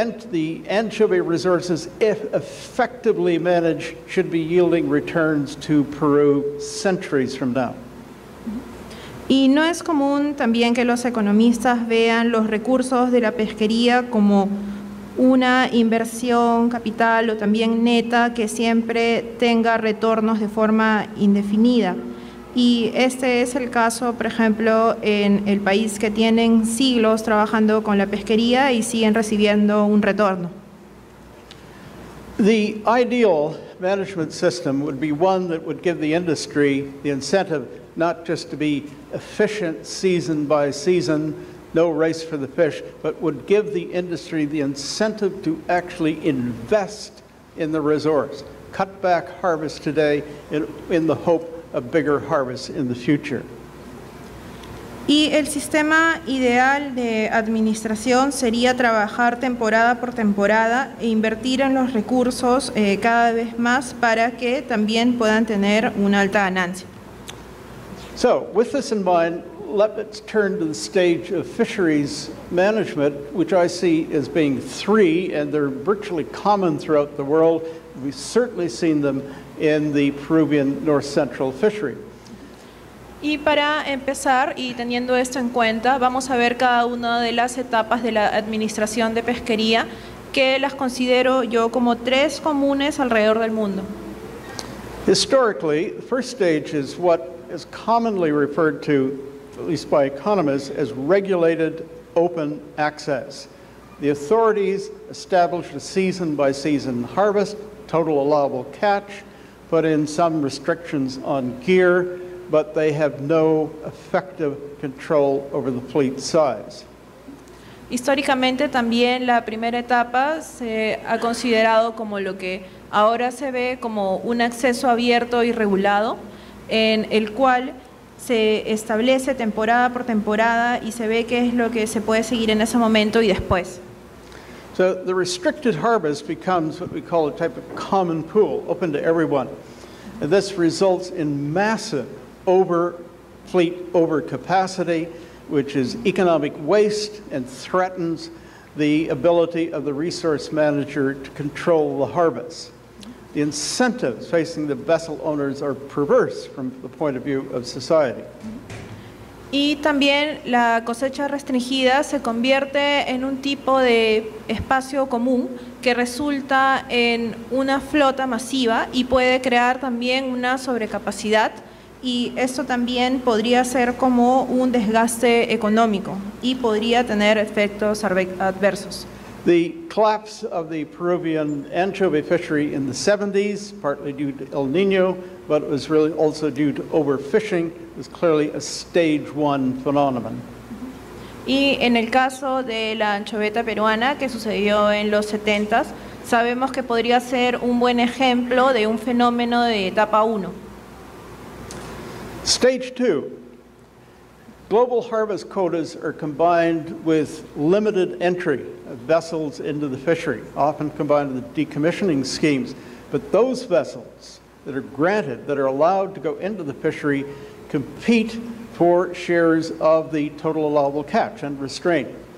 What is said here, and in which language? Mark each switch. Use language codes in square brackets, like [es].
[en] The anchovy resources, if effectively managed, should be yielding returns to Peru centuries from now. [es] Y no es común también que los economistas vean los recursos de la pesquería como una inversión capital o también neta que siempre tenga retornos de forma indefinida. Y este es el caso, por ejemplo, en el país que tienen siglos trabajando con la pesquería y siguen recibiendo un retorno. [en] The ideal management system would be one that would give the industry the incentive not just to be efficient season by season, no race for the fish, but would give the industry the incentive to actually invest in the resource, cut back harvest today in the hope of bigger harvest in the future. [es] Y el sistema ideal de administración sería trabajar temporada por temporada e invertir en los recursos cada vez más para que también puedan tener una alta ganancia. [en] So, with this in mind, let's turn to the stage of fisheries management, which I see as being three, and they're virtually common throughout the world. We've certainly seen them in the Peruvian North Central fishery. [es] Y para empezar, y teniendo esto en cuenta, vamos a ver cada una de las etapas de la administración de pesquería, que las considero yo como tres comunes alrededor del mundo. [en] Historically, the first stage is what is commonly referred to, at least by economists, as regulated open access. The authorities established a season-by-season harvest, total allowable catch, put in some restrictions on gear, but they have no effective control over the fleet size. [es] Históricamente, también la primera etapa se ha considerado como lo que ahora se ve como un acceso abierto y regulado, en el cual se establece temporada por temporada y se ve qué es lo que se puede seguir en ese momento y después. [en] So the restricted harvest becomes what we call a type of common pool, open to everyone. And this results in massive fleet overcapacity, which is economic waste and threatens the ability of the resource manager to control the harvest. The incentives facing the vessel owners are perverse from the point of view of society. [es] Y también la cosecha restringida se convierte en un tipo de espacio común que resulta en una flota masiva y puede crear también una sobrecapacidad, y esto también podría ser como un desgaste económico y podría tener efectos adversos. [en] The collapse of the Peruvian anchovy fishery in the 70s, partly due to El Nino, but it was really also due to overfishing, was clearly a stage one phenomenon. [es] Y en el caso de la anchoveta peruana que sucedió en los 70s, sabemos que podría ser un buen ejemplo de un fenómeno de etapa 1. [en] Stage two. Global harvest quotas are combined with limited entry of vessels into the fishery, often combined with decommissioning schemes. But those vessels that are granted, that are allowed to go into the fishery, compete for shares of the total allowable catch and restraint.